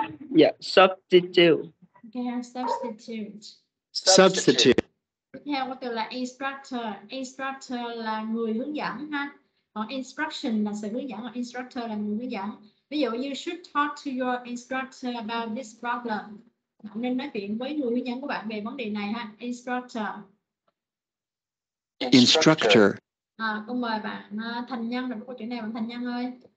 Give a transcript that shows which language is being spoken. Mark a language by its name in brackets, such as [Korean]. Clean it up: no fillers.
[English] Yeah, substitute. Okay, substitute. Substitute. [Vietnamese] Theo có từ là instructor. Instructor là người hướng dẫn ha. Còn instruction là sự hướng dẫn, còn instructor là người hướng dẫn. Ví dụ, [English] you should talk to your instructor about this problem. [Vietnamese] Bạn nên nói chuyện với người hướng dẫn của bạn về vấn đề này ha. [English] Instructor. Instructor. [Vietnamese] À, cô mời bạn Thành Nhân đọc câu chuyện này, bạn Thành Nhân ơi.